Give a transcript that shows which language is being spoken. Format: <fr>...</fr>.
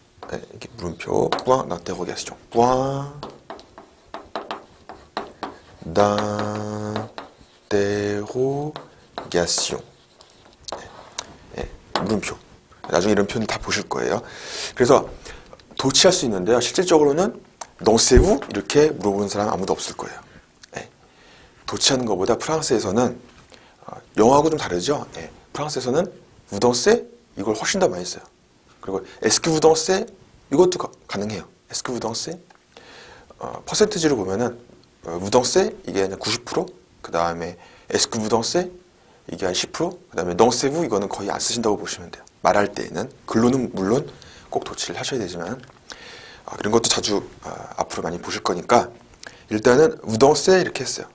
<ko>네, 이렇게 물음표</ko> <fr>point d'interrogation point d'interrogation</fr> <ko>네, 물음표 나중에 이런 표현 다 보실 거예요. 그래서 도치할 수 있는데요. 실질적으로는</ko> <fr>dansez-vous</fr> <ko>이렇게 물어보는 사람 아무도 없을 거예요. 도치하는 것보다 프랑스에서는 영어하고 좀 다르죠. 네, 프랑스에서는</ko> <fr>vous dansez</fr> <ko>이걸 훨씬 더 많이 써요. 그리고</ko> <fr>est-ce que vous dansez</fr> <ko>이것도 가능해요.</ko> <fr>Est-ce que vous dansez?</fr> <ko>퍼센트지로 보면은</ko> <fr>vous dansez</fr> <ko>이게 90%, 그 다음에</ko> <fr>Est-ce que vous dansez</fr> <ko>이게 한 10%, 그 다음에</ko> <fr>dansez-vous</fr> <ko>이거는 거의 안 쓰신다고 보시면 돼요. 말할 때에는 글로는 물론 꼭 도치를 하셔야 되지만 그런 것도 자주 앞으로 많이 보실 거니까 일단은</ko> <fr>vous dansez</fr> <ko>이렇게 했어요.</ko>